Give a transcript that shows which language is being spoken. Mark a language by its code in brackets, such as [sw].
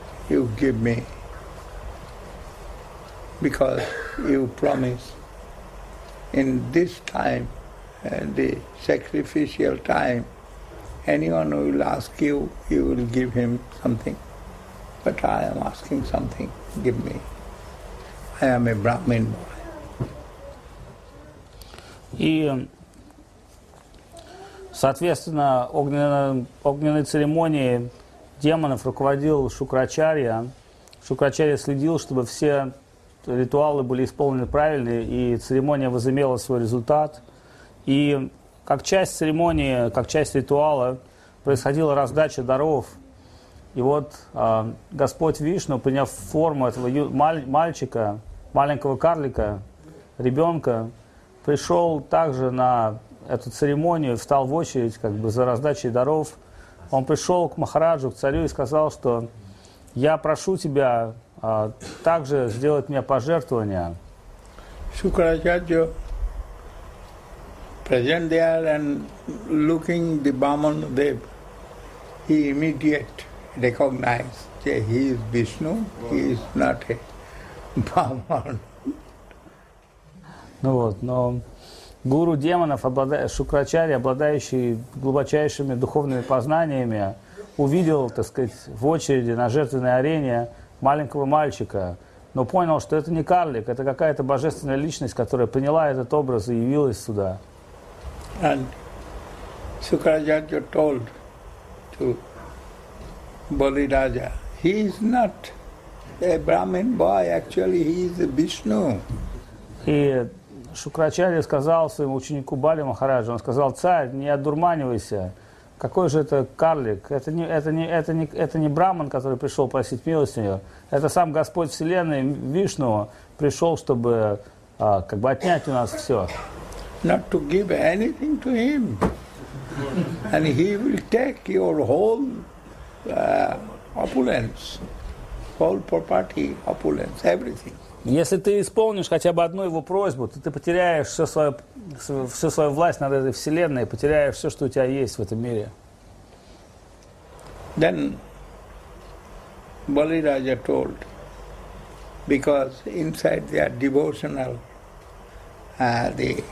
[en] You give me, because you promise in this time, the sacrificial time, anyone who will ask you, you will give him something. But I am asking something, give me. I am a Brahmin boy. [ru] И, соответственно, огненной церемонии демонов руководил Шукрачарья. Шукрачарья следил, чтобы все ритуалы были исполнены правильно, и церемония возымела свой результат. И как часть церемонии, как часть ритуала, происходила раздача даров. И вот Господь Вишну, приняв форму этого мальчика, маленького карлика, ребенка, пришел также на эту церемонию, встал в очередь как бы за раздачей даров. Он пришел к Махараджу, к царю, и сказал, что я прошу тебя также сделать мне пожертвование. [en] Shukracharya present there and looking the Vamana Dev, he immediately recognized that he is Vishnu, he is not a Brahman. [ru] Ну вот, но гуру демонов, Шукрачарья, обладающий глубочайшими духовными познаниями, увидел, так сказать, в очереди на жертвенной арене маленького мальчика, но понял, что это не карлик, это какая-то божественная личность, которая приняла этот образ и явилась сюда. [en] And Shukracharya told to Bali Raja, he is not a Brahmin boy, actually he is a Vishnu. [ru] И Шукрачарья сказал своему ученику Бали Махараджу, он сказал: царь, не одурманивайся. Какой же это карлик? Это не Брахман, который пришел просить милости у него. Это сам Господь Вселенной, Вишну, пришел, чтобы как бы отнять у нас все. [en] Not to give anything to him. And he will take your whole opulence, whole property, opulence, everything. [ru] Если ты исполнишь хотя бы одну его просьбу, то ты потеряешь всю свою власть над этой вселенной, потеряешь все, что у тебя есть в этом мире. [en] Then Bali Raja told, because inside they are devotional, the